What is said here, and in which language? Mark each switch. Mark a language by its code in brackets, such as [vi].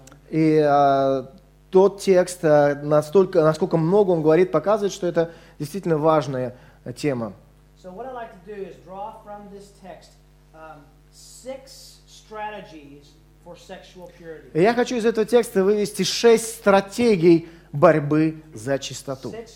[ru] И тот текст, насколько много он говорит, показывает, что это действительно важная тема. [en] So what I'd like to do is draw from this text 6 strategies for sexual purity. [ru] Я хочу из этого текста вывести 6 стратегий борьбы за чистоту.